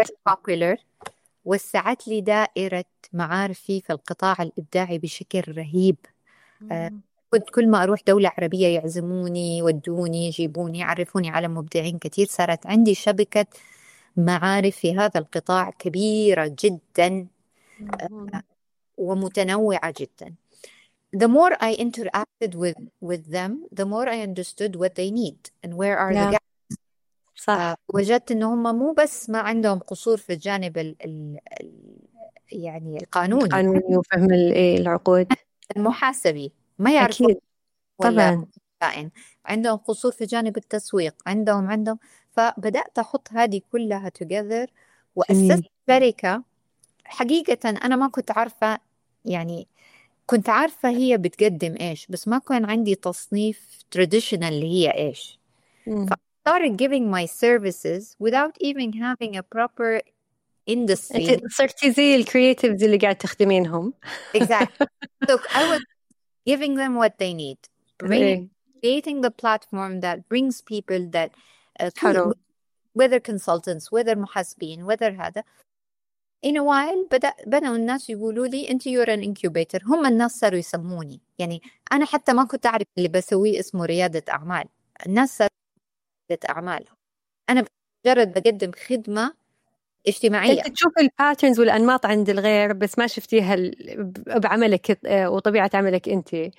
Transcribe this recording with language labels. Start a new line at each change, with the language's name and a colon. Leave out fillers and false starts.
English: very popular،
Arabic: وسعت لي دائرة معارفي في القطاع الإبداعي بشكل رهيب. كنت كل ما أروح دولة عربية يعزموني، ودوني، يجيبوني، يعرفوني على مبدعين كثير، صارت عندي شبكة معارف في هذا القطاع كبيرة جدا ومتنوعة جدا.
English: The more I interacted with them, the more I understood what they need and where are the gaps.
Arabic: صح. وجدت إن هم مو بس ما عندهم قصور في الجانب يعني القانوني، القانوني وفهم العقود المحاسبي ما يعرفوا أكيد طبعاً. ولا كائن، عندهم قصور في جانب التسويق، عندهم. فبدأت أحط هذه كلها
English: together
Arabic: جميل. وأسست شركة. حقيقة أنا ما كنت عارفة، يعني كنت عارفة هي بتقدم إيش، بس ما كان عندي تصنيف traditional اللي هي إيش. ف
English: started giving my services without even having a proper industry.
Arabic: أنت صرتي زي الكرياتيفز اللي قاعد تخدمينهم.
English: Exactly. So I was giving them what they need, creating the platform that brings people that whether consultants, whether
Arabic: محاسبين,
English: whether هذا. In a while
Arabic: بدأوا الناس يقولوا لي أنت
English: you're an incubator.
Arabic: هم الناس صاروا يسموني، يعني أنا حتى ما كنت أعرف اللي بسويه اسمه ريادة أعمال، الناس صاروا ريادة أعمال، أنا مجرد بقدم خدمة اجتماعية. أنت تشوف الباترنز والأنماط عند الغير بس ما شفتيها بعملك وطبيعة عملك أنت.